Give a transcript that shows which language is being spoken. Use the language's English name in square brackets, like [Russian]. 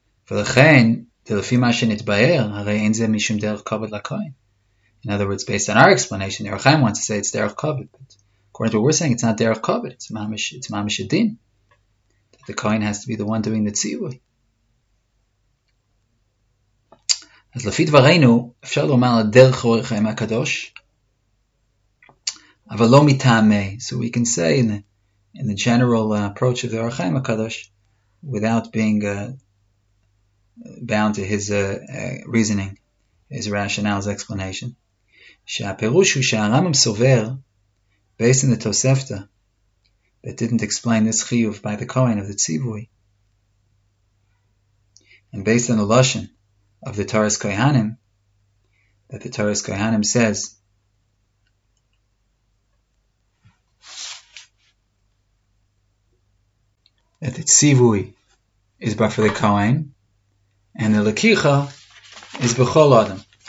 [Hebrew] ולכן, לפי מה שנתבהר, הרי אין זה משום דרך כובד לכהן. [English] In other words, based on our explanation, the Rechaim wants to say it's דרך כובד, but according to what we're saying, it's not דרך כובד, it's [Hebrew] ממש הדין. [English] That the Kohen has to be the one doing the ציווי. [Hebrew] אז לפי דברינו, אפשר לומר דרך אורך חיים הקדוש, אבל לא מטעמי. [English] So we can say in the general approach of the Rechaim HaKadosh, without being bound to his reasoning, his rationale, his explanation. [Hebrew] שהפירוש הוא שהרמב"ם סובר, [English] based on the Tosefta, that didn't explain this chiyuv by the Kohen of the Tzivui, and based on the Lashon of the Torah's Kohanim, that the Torah's Kohanim says, that the tzivui is but for the kohen, and the lekicha is b'chol adam.